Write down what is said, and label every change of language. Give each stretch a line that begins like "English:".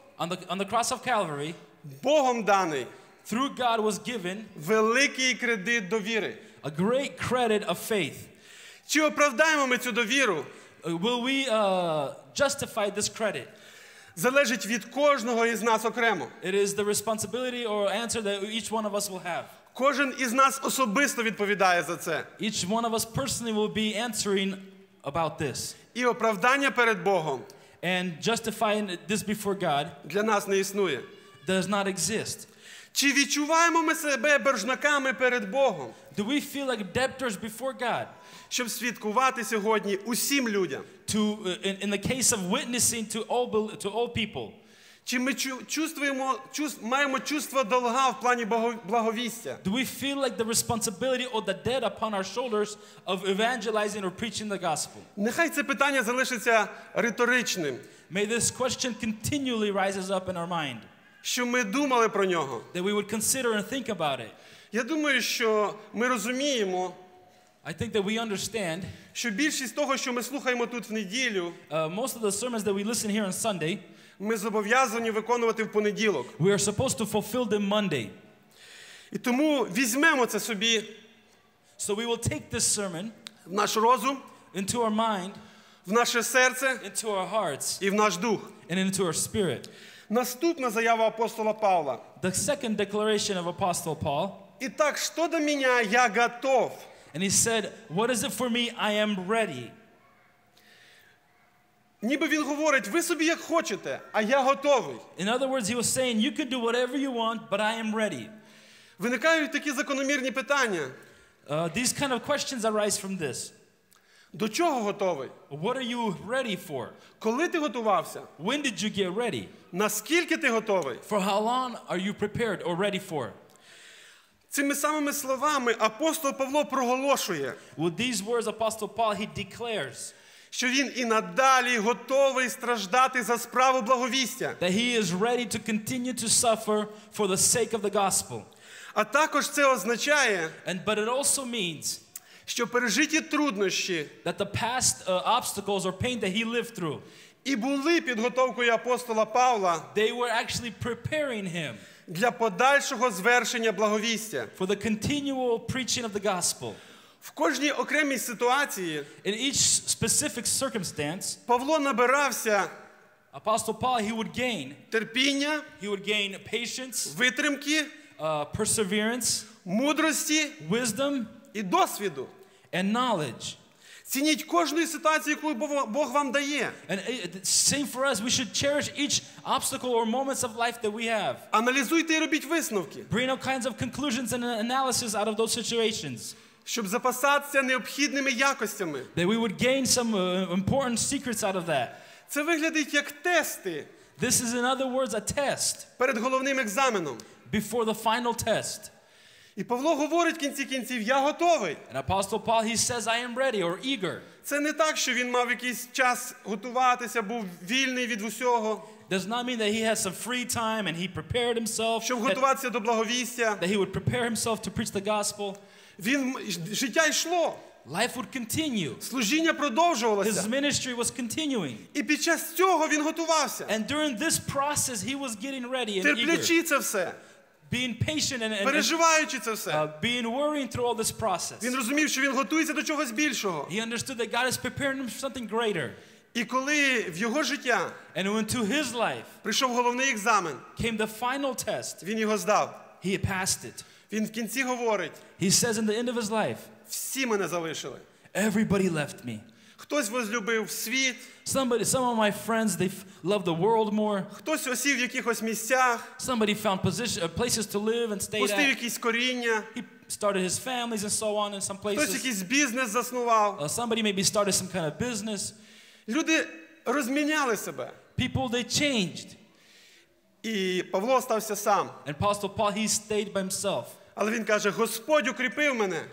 English: On the cross of Calvary.
Ukrainian: Богом даний.
English: Through God was given.
Ukrainian: Великий кредит довіри.
English: A great credit of faith.
Ukrainian: Чи оправдаємо ми цю довіру?
English: Will we justify this credit?
Ukrainian: Залежить від кожного із нас окремо.
English: It is the responsibility or answer that each one of us will have.
Ukrainian: Кожен із нас особисто відповідає за це.
English: Each one of us personally will be answering about this.
Ukrainian: І оправдання перед Богом.
English: And justifying this before God.
Ukrainian: Для нас не існує.
English: Does not exist.
Ukrainian: Чи відчуваємо ми себе боржниками перед Богом?
English: Do we feel like debtors before God?
Ukrainian: Щоб свідкувати сьогодні усім людям.
English: In the case of witnessing to all people.
Ukrainian: Чи ми маємо
Russian: чувство долга
Ukrainian: в плані благовістя?
English: Do we feel like the responsibility or the debt upon our shoulders of evangelizing or preaching the gospel?
Ukrainian: Нехай це питання залишиться риторичним.
English: May this question continually rises up in our mind.
Ukrainian: Що ми думали про нього?
English: That we would consider and think about it.
Ukrainian: Я думаю, що ми розуміємо.
English: I think that we understand.
Ukrainian: Що більшість того, що ми слухаємо тут в неділю,
English: most of the sermons that we listen here on Sunday,
Ukrainian: ми зобов'язані виконувати в понеділок.
English: We are supposed to fulfill them Monday.
Ukrainian: І тому візьмемо це собі.
English: So we will take this sermon
Ukrainian: в наш розум,
English: into our mind,
Ukrainian: в наше серце,
English: into our hearts,
Ukrainian: і в наш дух,
English: and into our spirit.
Ukrainian: Наступна заява апостола Павла.
English: The second declaration of Apostle Paul.
Ukrainian: І так, що до мене, я готов.
English: And he said, what is it for me? I am ready.
Ukrainian: Ніби він говорить, ви собі як хочете, а я готовий.
English: In other words, he was saying, you can do whatever you want, but I am ready.
Ukrainian: Виникають такі закономірні питання.
English: These kind of questions arise from this.
Ukrainian: До чого готовий?
English: What are you ready for?
Ukrainian: Коли ти готувався?
English: When did you get ready?
Ukrainian: Наскільки ти готовий?
English: For how long are you prepared or ready for?
Ukrainian: Цими самими словами апостол Павло проголошує.
English: With these words, Apostle Paul, he declares.
Ukrainian: Що він і надалі готовий страждати за справу благовістя.
English: That he is ready to continue to suffer for the sake of the gospel.
Ukrainian: А також це означає.
English: And but it also means.
Ukrainian: Що пережиті труднощі.
English: That the past obstacles or pain that he lived through.
Ukrainian: І були підготовкою апостола Павла.
English: They were actually preparing him.
Ukrainian: Для подальшого звершення благовістя.
English: For the continual preaching of the gospel.
Ukrainian: В кожній окремій ситуації.
English: In each specific circumstance.
Ukrainian: Павло набирався.
English: Apostle Paul, he would gain.
Ukrainian: Терпіння.
English: He would gain patience.
Ukrainian: Витримки.
English: Perseverance.
Ukrainian: Мудрості.
English: Wisdom.
Ukrainian: І досвіду.
English: And knowledge.
Ukrainian: Цініть кожну ситуацію, яку Бог вам дає.
English: And same for us, we should cherish each obstacle or moments of life that we have.
Ukrainian: Аналізуйте і робіть висновки.
English: Bring all kinds of conclusions and analysis out of those situations.
Ukrainian: Щоб запасатися необхідними якостями.
English: That we would gain some important secrets out of that.
Ukrainian: Це виглядить як тести.
English: This is, in other words, a test.
Ukrainian: Перед головним екзаменом.
English: Before the final test.
Ukrainian: І Павло говорить кінці кінців, я готовий.
English: And Apostle Paul, he says, I am ready or eager.
Ukrainian: Це не так, що він мав якийсь час готуватися, був вільний від усього.
English: Does not mean that he has some free time and he prepared himself.
Ukrainian: Щоб готуватися до благовістя.
English: That he would prepare himself to preach the gospel.
Ukrainian: Він життя йшло.
English: Life would continue.
Ukrainian: Служіння продовжувалося.
English: His ministry was continuing.
Ukrainian: І під час цього він готувався.
English: And during this process he was getting ready and
Ukrainian: терплячи
English: eager.
Ukrainian: Це все.
English: Being patient and
Ukrainian: переживаючи це все.
English: Being worrying through all this process.
Ukrainian: Він розумів, що він готується до чогось більшого.
English: He understood that God is preparing him for something greater.
Ukrainian: І коли в його життя
English: and when to his life
Ukrainian: прийшов головний екзамен,
English: came the final test,
Ukrainian: він його здав.
English: He passed it.
Ukrainian: Він в кінці говорить,
English: he says in the end of his life,
Ukrainian: всі мене залишили.
English: Everybody left me.
Ukrainian: Хтось возлюбив світ.
English: Some of my friends, they loved the world more.
Ukrainian: Хтось осів в якихось місцях.
English: Somebody found places to live and stay at.
Ukrainian: Пустив якісь коріння.
English: He started his families and so on in some places.
Ukrainian: Хтось якийсь бізнес заснував.
English: Somebody maybe started some kind of business.
Ukrainian: Люди розміняли себе.
English: People, they changed.
Ukrainian: І Павло залишився сам.
English: And Apostle Paul, he stayed by himself.
Ukrainian: Але він каже: Господь укріпив мене.